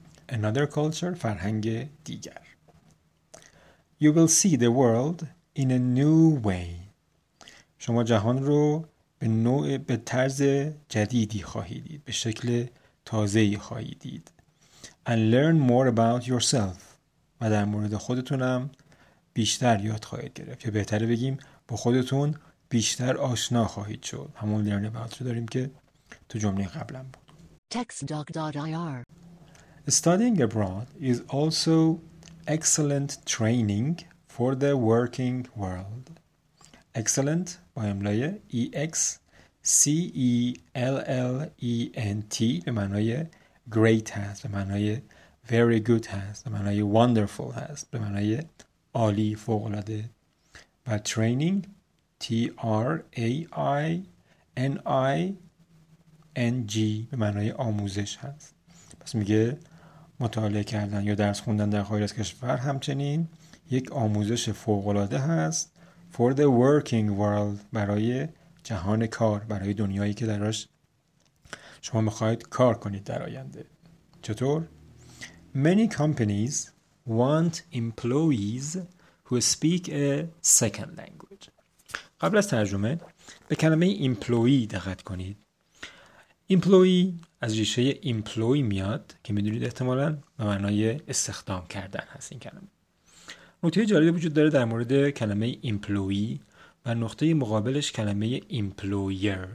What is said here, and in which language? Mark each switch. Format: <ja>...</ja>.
<en>Another culture،</en> <fa>فرهنگ دیگر.</fa> <en>You will see the world in a new way.</en> <fa>شما جهان رو به نوع، به طرز جدیدی خواهید دید، به شکل تازه‌ای خواهید دید.</fa> <en>And learn more about yourself.</en> <fa>و در مورد خودتونم بیشتر یاد خواهید گرفت. یا بهتره بگیم با خودتون بیشتر آشنا خواهید شد. همون learn about رو داریم که تو جمله قبلم بود. textdoc.ir</fa> <en>Studying abroad is also excellent training for the working world.</en> <fa>Excellent با املای excellent به معنای great هست، به معنای very good هست، به معنای wonderful هست، به معنای عالی، فوق العاده. و training training به معنای آموزش هست. پس میگه مطالعه کردن یا درس خوندن در خارج از کشور همچنین یک آموزش فوق‌العاده هست.</fa> <en>For the working world،</en> <fa>برای جهان کار، برای دنیایی که درش شما میخواید کار کنید در آینده. چطور؟</fa> <en>Many companies want employees who speak a second language.</en> <fa>قبل از ترجمه به کلمه employee دقت کنید. Employee از ریشه employ میاد که میدونید احتمالاً به معنای استخدام کردن هست این کلمه. نکته جالبی وجود داره در مورد کلمه employee و نقطه مقابلش کلمه employer.</fa>